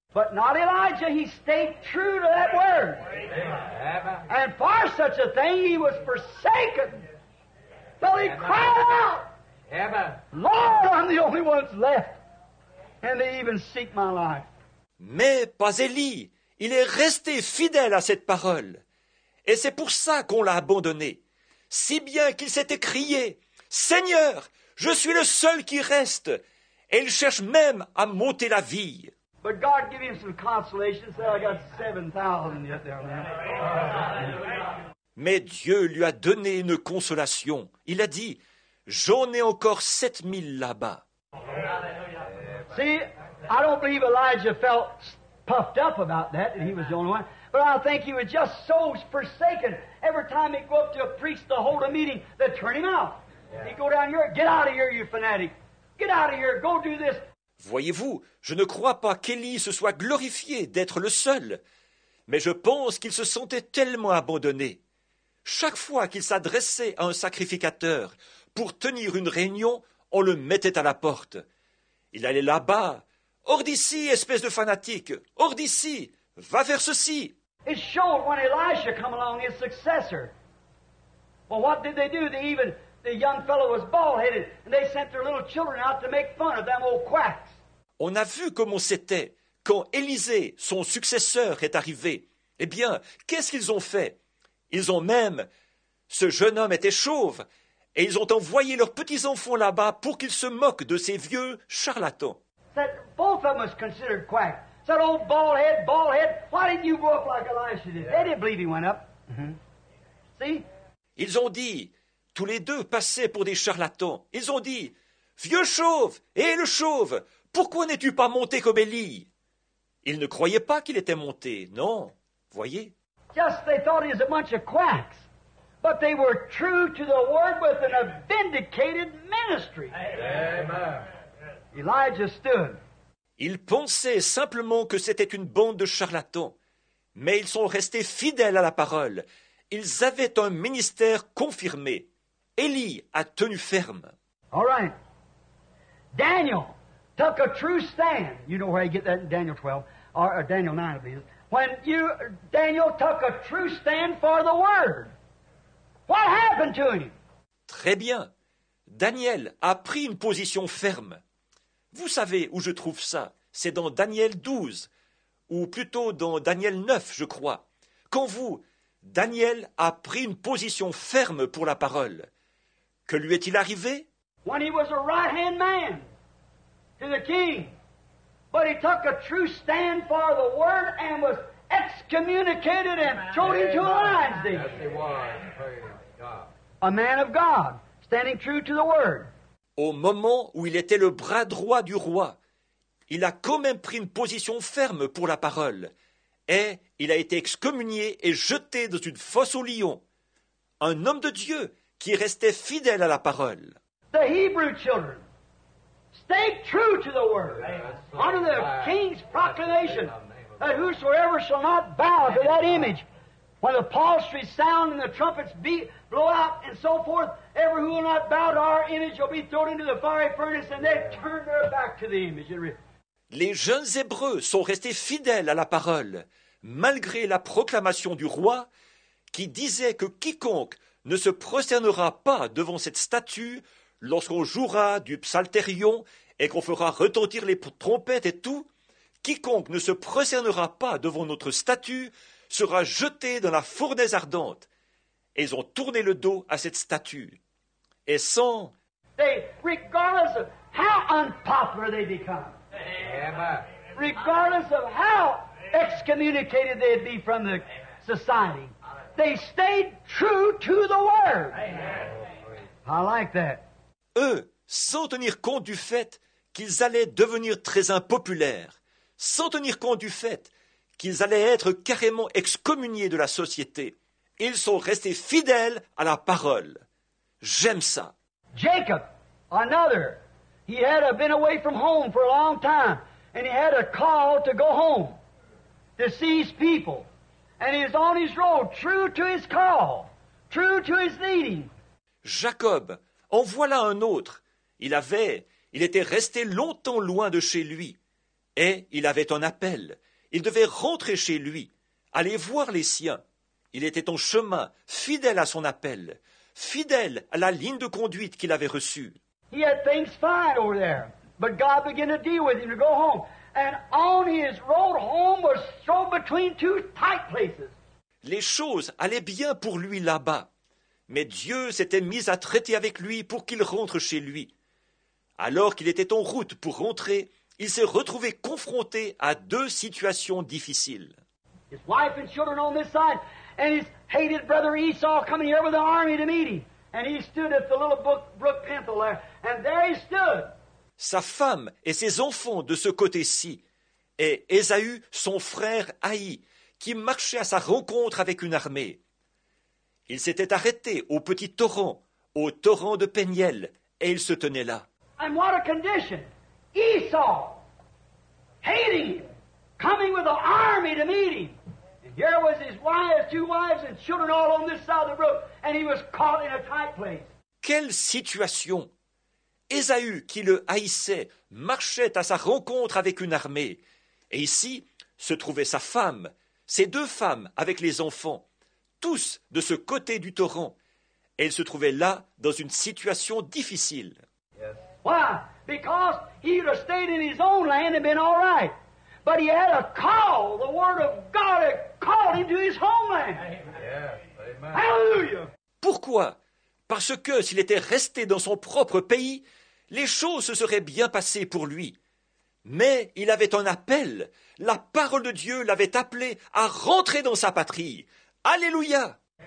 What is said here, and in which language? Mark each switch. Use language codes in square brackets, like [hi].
[en] But not Elijah, he stayed true to that word. Amen. And for such a thing, he was forsaken. So he cried out, Amen. Lord, I'm the only one that's left. And they even seek my life. [fr] Mais pas Élie, il est resté fidèle à cette parole. Et c'est pour ça qu'on l'a abandonné. Si bien qu'il s'est écrié, Seigneur, je suis le seul qui reste. Et il cherche même à m'ôter la vie. [en] But God give him some consolation. So I got 7,000 yet there, man. [fr] Mais Dieu lui a donné une consolation. Il a dit, j'en ai encore 7,000 là-bas. [en] See, I don't believe Elijah felt puffed up about that, that he was the only one. But I think he was just so forsaken. Every time he'd go up to a priest to hold a meeting, they'd turn him out. He'd go down here, get out of here, you fanatic. Get out of here, go do this. [fr] Voyez-vous, je ne crois pas qu'Élie se soit glorifié d'être le seul, mais je pense qu'il se sentait tellement abandonné. Chaque fois qu'il s'adressait à un sacrificateur pour tenir une réunion, on le mettait à la porte. Il allait là-bas. « Hors d'ici, espèce de fanatique! Hors d'ici! Va faire ceci !» [en] It showed when Elisha came along, his successor. Well, what did they do? They even... The young fellow was bald-headed, and they sent their little children out to make fun of them old quacks. [fr] On a vu comment c'était quand Élisée, son successeur, est arrivé. Eh bien, qu'est-ce qu'ils ont fait? Ils ont même... Ce jeune homme était chauve, et ils ont envoyé leurs petits-enfants là-bas pour qu'ils se moquent de ces vieux charlatans. [en] Said, both of them was considered quack. Said, old bald-head, bald-head, why didn't you go up like Elisha did? They didn't believe he went up. Mm-hmm. See? [fr] Ils ont dit... Tous les deux passaient pour des charlatans. Ils ont dit, « Vieux chauve, et le chauve, pourquoi n'es-tu pas monté comme Élie ?» Ils ne croyaient pas qu'il était monté, non, voyez. [en] Just they thought he was a bunch of quacks, but they were true to the word with a vindicated ministry. Amen. Elijah stood. [fr] Ils pensaient simplement que c'était une bande de charlatans, mais ils sont restés fidèles à la parole. Ils avaient un ministère confirmé. Élie a tenu ferme. [en] All right. Daniel took a true stand. You know where you get that in Daniel 12, or Daniel 9, I believe. When you, Daniel took a true stand for the word. What happened to him? [fr] Très bien. Daniel a pris une position ferme. Vous savez où je trouve ça. C'est dans Daniel 12, ou plutôt dans Daniel 9, je crois. Quand vous, Daniel a pris une position ferme pour la parole. Que lui est-il arrivé? [en] When he was a right-hand man to the king, but he took a true stand for the word and was excommunicated him, showed him to Elijah. Yes, he was. Praise God. A man of God, standing true to the word. [fr] Au moment où il était le bras droit du roi, il a quand même pris une position ferme pour la parole. Et il a été excommunié et jeté dans une fosse aux lions. Un homme de Dieu qui restait fidèle à la parole. [en] The Hebrew children. Stay true to the word. Under the king's proclamation that whosoever shall not bow to that image, when the psalteries sound and the trumpets beat, blow out and so forth, ever who will not bow to our image will be thrown into the fiery furnace, and they turn their back to the image. [fr] Les jeunes Hébreux sont restés fidèles à la parole, malgré la proclamation du roi qui disait que quiconque ne se prosternera pas devant cette statue lorsqu'on jouera du psalterion et qu'on fera retentir les trompettes et tout, quiconque ne se prosternera pas devant notre statue sera jeté dans la fournaise ardente. Et ils ont tourné le dos à cette statue. Et sans... [en] They, regardless of how unpopular they become, regardless of how excommunicated they be from the society, they stayed true to the word. I like that. [fr] Eux, sans tenir compte du fait qu'ils allaient devenir très impopulaires, sans tenir compte du fait qu'ils allaient être carrément excommuniés de la société, ils sont restés fidèles à la parole. J'aime ça. [en] Jacob, another, he had been away from home for a long time, and he had a call to go home to see his people, and he was on his road, true to his call, true to his leading. [fr] Jacob. En voilà un autre. Il était resté longtemps loin de chez lui. Et il avait un appel. Il devait rentrer chez lui, aller voir les siens. Il était en chemin, fidèle à son appel, fidèle à la ligne de conduite qu'il avait reçue. [en] He had things fine over there, but God began to deal with him to go home. And on his road home was thrown between two tight places. [fr] Les choses allaient bien pour lui là-bas. Mais Dieu s'était mis à traiter avec lui pour qu'il rentre chez lui. Alors qu'il était en route pour rentrer, il s'est retrouvé confronté à deux situations difficiles. [en] His wife and children on this side, and his hated brother Esau coming here with the army to meet him. And he stood at the little brook Penthel there, and there he stood. [fr] Sa femme et ses enfants de ce côté-ci, et Ésaü, son frère Haï, qui marchait à sa rencontre avec une armée. Il s'était arrêté au petit torrent, au torrent de Peniel, et il se tenait là. [en] And what a condition! Esau, hating, coming with an army to meet him. And here was his wife, two wives, and children all on this side of the road, and he was caught in a tight place. [fr] Quelle situation! Ésaü, qui le haïssait, marchait à sa rencontre avec une armée, et ici se trouvait sa femme, ses deux femmes avec les enfants. Tous de ce côté du torrent, et il se trouvait là dans une situation difficile. [en] Yes. Why? Because he would have stayed in his own land and been all right, but he had a call. The word of God had called him to his homeland. Amen. Yes. Amen. Hallelujah. [fr] Pourquoi? Parce que s'il était resté dans son propre pays, les choses se seraient bien passées pour lui. Mais il avait un appel. La parole de Dieu l'avait appelé à rentrer dans sa patrie. Alléluia.